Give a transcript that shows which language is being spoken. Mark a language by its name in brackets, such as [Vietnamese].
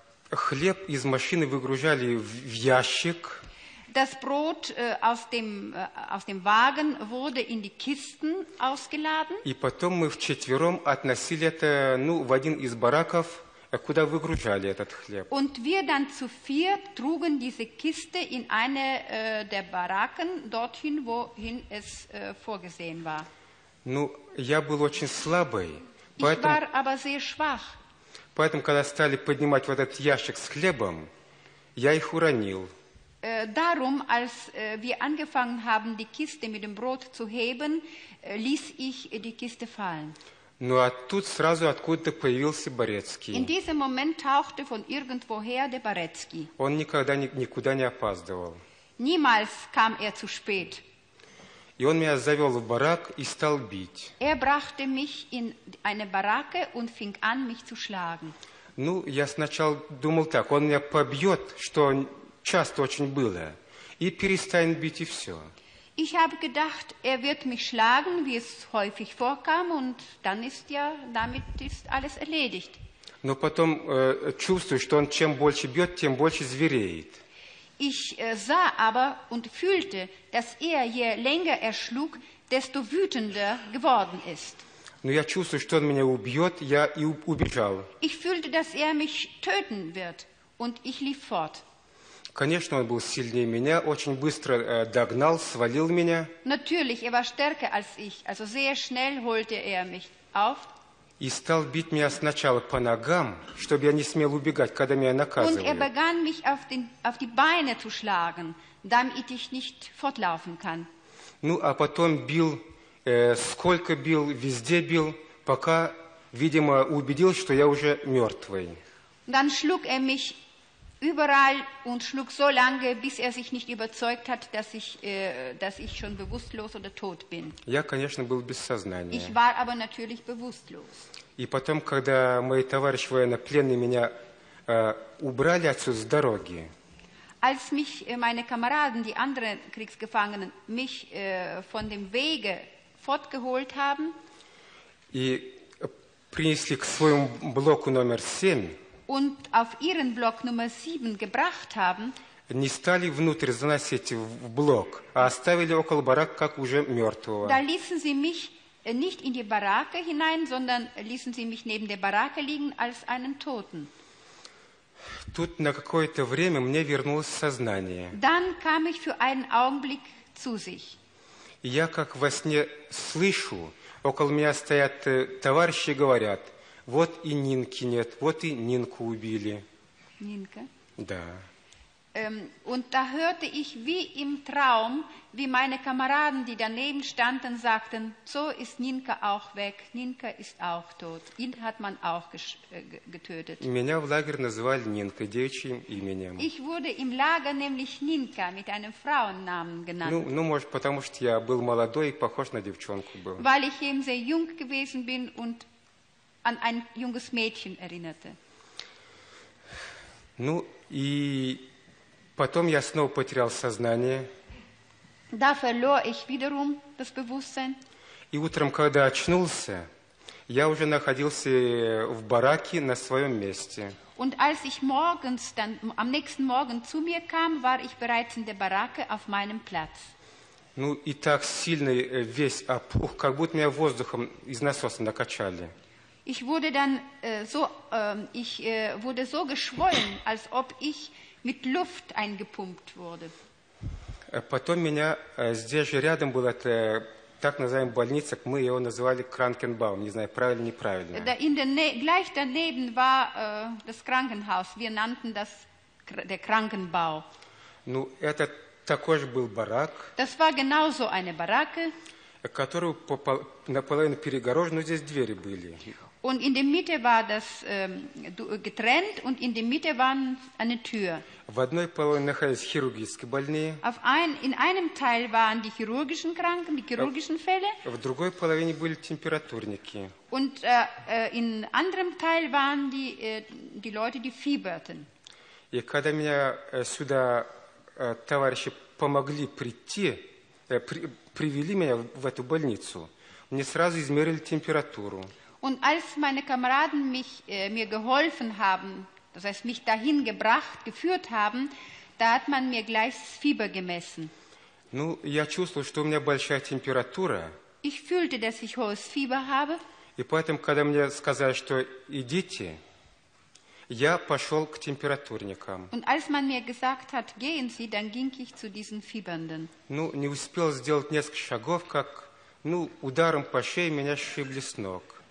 [Russian] Хлеб из машины выгружали в ящик. [German] Das Brot aus dem Wagen wurde in die Kisten ausgeladen. [Russian] И потом мы вчетвером относили это, ну, в один из бараков. Куда выгружали этот хлеб? [German] Und wir dann zu vier trugen diese Kiste in eine der Baracken dorthin, wohin es vorgesehen war. [Russian] Ну, я был очень слабый, поэтому, [German] ich war aber sehr schwach. [Russian] Поэтому, когда стали поднимать вот этот ящик с хлебом, я их уронил. [German] Darum, als wir angefangen haben, die Kiste mit dem Brot zu heben, ließ ich die Kiste fallen. [Russian] Ну а тут сразу откуда-то появился Борецкий. [German] In diesem Moment tauchte von irgendwoher der Борецкий. [Russian] Он никогда никуда не опаздывал. [German] Niemals kam zu spät. [Russian] И он меня завел в барак и стал бить. [German] Brachte mich in eine Baracke und fing an, mich zu schlagen. [Russian] Ну, я сначала думал так, он меня побьет, что часто очень было, и перестанет бить, и все. [German] Ich habe gedacht, wird mich schlagen, wie es häufig vorkam, und dann ist ja damit ist alles erledigt. [Russian] Но потом чувствую, что он чем больше бьет, тем больше звереет. [German] Ich sah aber und fühlte, dass je länger schlug, desto wütender geworden ist. [Russian] Но я чувствую, что он меня убьет, я и убежал. [German] Ich fühlte, dass mich töten wird, und ich lief fort. [Russian] Конечно, он был сильнее меня, очень быстро догнал, свалил меня. [German] Natürlich, er war stärker als ich, also sehr schnell holte er mich auf. [Russian] И стал бить меня сначала по ногам, чтобы я не смел убегать, когда меня наказывали. [German] Und er begann mich auf die Beine zu schlagen, damit ich nicht fortlaufen kann. [Russian] Ну, а потом бил, сколько бил, везде бил, пока, видимо, убедил, что я уже мертвый. [German] Dann schlug er mich überall und schlug so lange, bis er sich nicht überzeugt hat, dass ich schon bewusstlos oder tot bin. [Russian] Я, конечно, был без сознания. [German] Ich war aber natürlich bewusstlos. [Russian] И потом, когда мои товарищи военнопленные меня убрали отсюда с дороги. [German] Als mich meine Kameraden, die anderen Kriegsgefangenen, mich von dem Wege fortgeholt haben, [Russian] и принесли к своему блоку номер 7, [German] und auf ihren Block Nummer 7 gebracht haben, [Russian] не стали внутрь заносить в блок, а оставили около барака, как уже мертвого. [German] Da ließen sie mich nicht in die Baracke hinein, sondern ließen sie mich neben der Baracke liegen als einen Toten. [Russian] Тут на какое-то время мне вернулось сознание. [German] Dann kam ich für einen Augenblick zu sich. [Russian] Я как во сне слышу, около меня стоят товарищи и говорят: вот и Нинки нет, вот и Нинку убили. Нинка? Да. [German] Und da hörte ich wie im Traum, wie meine Kameraden, die daneben standen, sagten: so ist Нинка auch weg, Нинка ist auch tot. Ihn hat man auch getötet. [Russian] Меня в лагерь называли Нинка девичьим именем. [German] Ich wurde im Lager nämlich Нинка mit einem Frauennamen genannt. [Russian] Ну, может, потому что я был молодой и похож на девчонку был. [German] Weil ich eben sehr jung gewesen bin und an ein junges Mädchen erinnerte. [Russian] Ну и потом я снова потерял сознание. [German] Da verlor ich wiederum das Bewusstsein. [Russian] И утром, когда очнулся, я уже находился в бараке на своем месте. [German] Und als ich morgens dann am nächsten Morgen zu mir kam, war ich bereits in der Baracke auf meinem Platz. [Russian] Ну и так сильно весь опух, как будто меня воздухом из насоса накачали. [German] Ich wurde dann so geschwollen, als ob ich mit Luft eingepumpt wurde. [Russian] Потом меня здесь же рядом была так называемая больница, мы ее называли Кранкенбаум, не знаю, правильно, неправильно. [German] Da in der gleich daneben war das Krankenhaus. Wir nannten das der Krankenbau. [Russian] Ну, это такой же был барак. [German] Das war genauso eine Baracke. [Russian] Которую наполовину перегорожено, здесь двери были. [German] Und in der Mitte war das getrennt und in der Mitte war eine Tür. [Russian] В одной половине находились хирургические больные. [German] In einem Teil waren die chirurgischen Kranken, die chirurgischen Fälle. [Russian] В другой половине были температурники. [German] Und in anderem Teil waren die Leute, die fieberten. [Russian] И когда меня сюда товарищи помогли прийти, привели меня в эту больницу, мне сразу измерили температуру. [German] Und als meine Kameraden mir geholfen haben, das heißt mich dahin gebracht, geführt haben, da hat man mir gleich das Fieber gemessen. [Russian] Ну, я чувствовал, что у меня большая температура. [German] Ich fühlte, dass ich hohes Fieber habe. [Russian] И поэтому, когда мне сказали, что идите, я пошел к температурникам. [German] Und als man mir gesagt hat, gehen Sie, dann ging ich zu diesen Fiebernden. [Russian] Ну, не успел сделать несколько шагов, как, ну, ударом по шее меня сшибли с ног.